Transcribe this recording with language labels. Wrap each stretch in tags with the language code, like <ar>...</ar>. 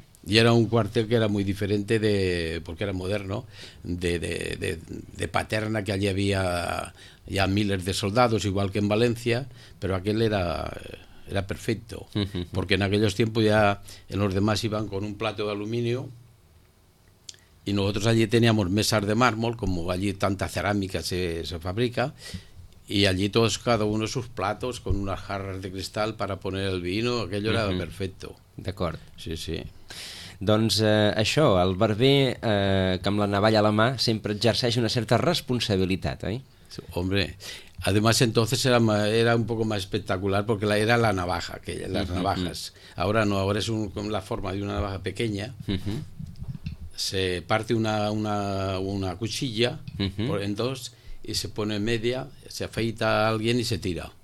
<es>Y era un cuartel que era muy diferente de, porque era moderno, de Paterna, que allí había ya miles de soldados, igual que en Valencia, pero aquel era perfecto, porque en aquellos tiempos ya en los demás iban con un plato de aluminio y nosotros allí teníamos mesas de mármol, como allí tanta cerámica se fabrica, y allí todos, cada uno sus platos con unas jarras de cristal para poner el vino, aquello era perfecto.</es> <ca>D'acord. Sí, sí. Doncs això, el barber que amb la navalla a la mà sempre exerceix una certa responsabilitat, oi?</ca> <es>Hombre, además entonces era un poco más espectacular porque era la navaja, aquella, las navajas. Ahora no, ahora es con la forma de una navaja pequeña. Se parte una cuchilla por en dos y se pone en media, se afeita a alguien y se tira.</es>